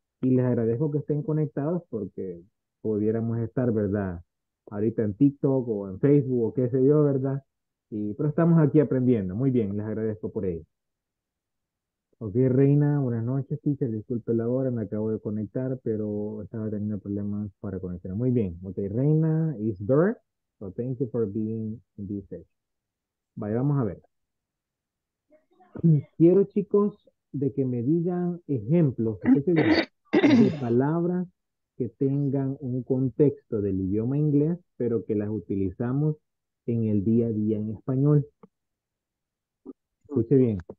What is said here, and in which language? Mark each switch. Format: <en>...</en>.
<es>Y les agradezco que estén conectados porque pudiéramos estar, ¿verdad? Ahorita en TikTok o en Facebook o qué sé yo, ¿verdad? Sí, pero estamos aquí aprendiendo. Muy bien, les agradezco por ello. Ok, Reina, buenas noches, teacher. Disculpe la hora, me acabo de conectar, pero estaba teniendo problemas para conectar. Muy bien.</es> <en>Ok, Reina is there. So thank you for being in this session.</en> <es>Vale, vamos a ver. Quiero, chicos, de que me digan ejemplos, ¿de qué se diría? De palabras que tengan un contexto del idioma inglés, pero que las utilizamos en el día a día en español. Escuche bien.</es>